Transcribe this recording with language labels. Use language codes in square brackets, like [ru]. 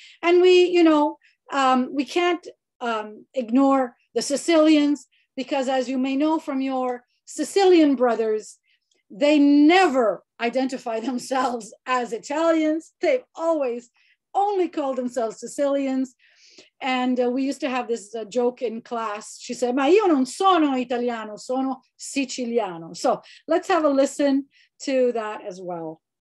[en] And we can't ignore the Sicilians, because as you may know from your Sicilian brothers, they never identify themselves as Italians. They've always only called themselves Sicilians. And we used to have this joke in class. She said, [it] "Ma io non sono italiano, sono siciliano." [en] So let's have a listen to that as well.